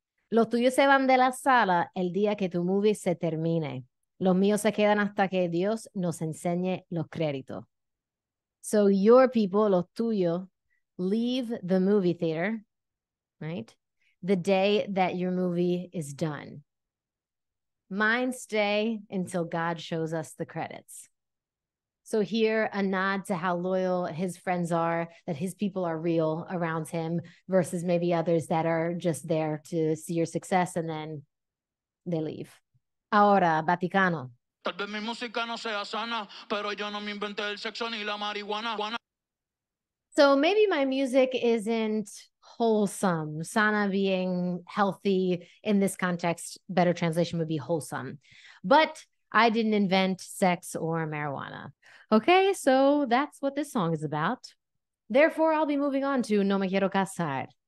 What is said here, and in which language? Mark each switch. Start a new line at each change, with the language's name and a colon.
Spanish: Los tuyos se van de la sala el día que tu movie se termine. Los míos se quedan hasta que Dios nos enseñe los créditos.
English: So your people,
Spanish: los tuyos,
English: leave the movie theater, right? The day that your movie is done. Mine stay until God shows us the credits. So here, a nod to how loyal his friends are, that his people are real around him versus maybe others that are just there to see your success and then they leave.
Spanish: Ahora, Baticano. Tal vez mi música no sea sana, pero yo no me inventé el sexo ni la marihuana.
English: So maybe my music isn't wholesome. Sana being healthy in this context, better translation would be wholesome. But I didn't invent sex or marijuana. Okay, so that's what this song is about. Therefore, I'll be moving on to No Me Quiero Casar.